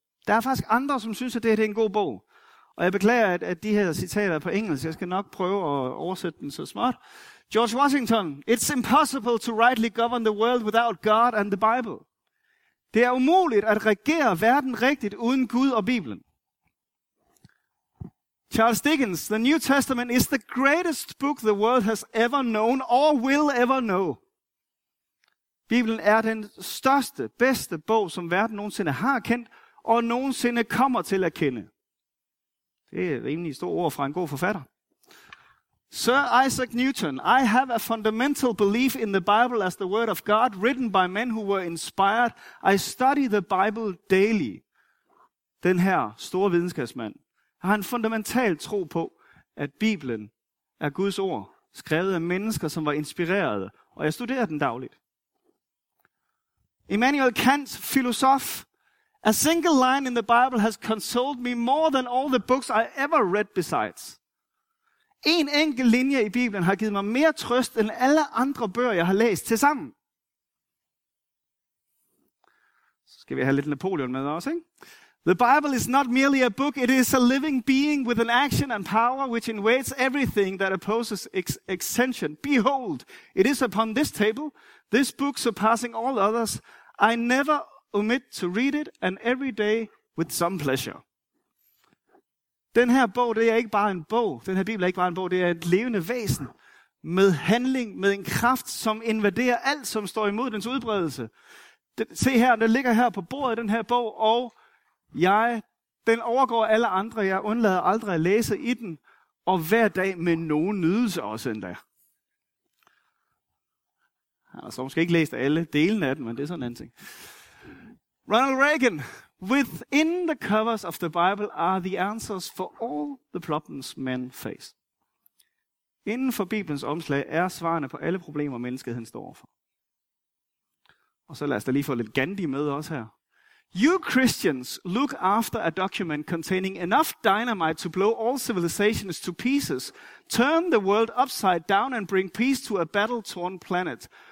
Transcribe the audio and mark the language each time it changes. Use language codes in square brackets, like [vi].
[da] Der er faktisk andre, som synes, at det her er en god bog. Og jeg beklager, at de her citater er på engelsk. Jeg skal nok prøve at oversætte den så smart. [en] George Washington: "It's impossible to rightly govern the world without God and the Bible." [da] Det er umuligt at regere verden rigtigt uden Gud og Bibelen. [en] Charles Dickens: "The New Testament is the greatest book the world has ever known or will ever know." [da] Bibelen er den største, bedste bog, som verden nogensinde har kendt og nogensinde kommer til at kende. Det er rimelig store ord fra en god forfatter. [en] Sir Isaac Newton: "I have a fundamental belief in the Bible as the word of God, written by men who were inspired. I study the Bible daily." [da] Den her store videnskabsmand har en fundamental tro på, at Bibelen er Guds ord, skrevet af mennesker, som var inspirerede, og jeg studerer den dagligt. [en] Immanuel Kant, filosof: "A single line in the Bible has consoled me more than all the books I ever read besides." [da] En enkelt linje i Bibelen har givet mig mere trøst end alle andre bøger, jeg har læst tilsammen. Så skal vi have lidt Napoleon med også, ikke? [en] "The Bible is not merely a book, it is a living being with an action and power which invades everything that opposes extension. Behold, it is upon this table, this book surpassing all others. I never omit to read it, and every day with some pleasure." [da] Den her bog, det er ikke bare en bog. Den her Bibel er ikke bare en bog, det er et levende væsen med handling, med en kraft, som invaderer alt, som står imod dens udbredelse. Se her, den ligger her på bordet, den her bog, og den overgår alle andre. Jeg undlader aldrig at læse i den, og hver dag med nogen nydelse også endda. Jeg har så måske ikke læst alle delene af den, men det er sådan en anden ting. Ronald Reagan. [en] Within the covers of the Bible are the answers for all the problems men face. [da] Inden for Bibelens omslag er svarene på alle problemer, menneskeheden står overfor. Og så lad os da lige få lidt Gandhi med også her. [en] You Christians look after a document containing enough dynamite to blow all civilizations to pieces, turn the world upside down and bring peace to a battle-torn planet.